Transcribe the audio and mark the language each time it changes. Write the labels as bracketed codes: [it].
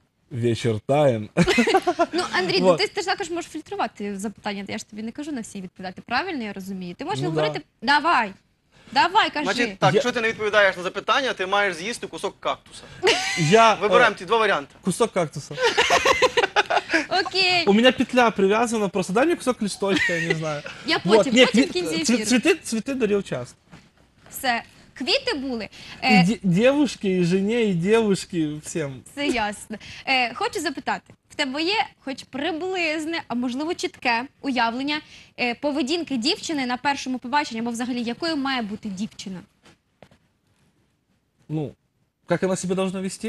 [uk] Вечір таєм. Ну, Андрій, вот. Ти ж також можеш фільтрувати запитання, я ж тобі не кажу на всі відповідати. Правильно я розумію? Ти можеш говорити, да. Давай, давай, кажи. Значить, так, якщо ти не відповідаєш на запитання, ти маєш з'їсти кусок кактуса. Вибираємо ті два варіанти. Кусок кактуса. Окей. [ru] У меня петля привязана, просто дай мне кусок листочка, я не знаю. Я потом, вот. Потом в кінці ефіру. Цветы дарил часто. [uk] Все. Квіти були. [ru] Девушки, і жене, і девушки, всем. Все ясно. [uk] Хочу запитати, в тебе є хоч приблизне, а можливо чітке уявлення поведінки дівчини на першому побаченні, або взагалі, якою має бути дівчина? Ну, як вона себе повинна вести?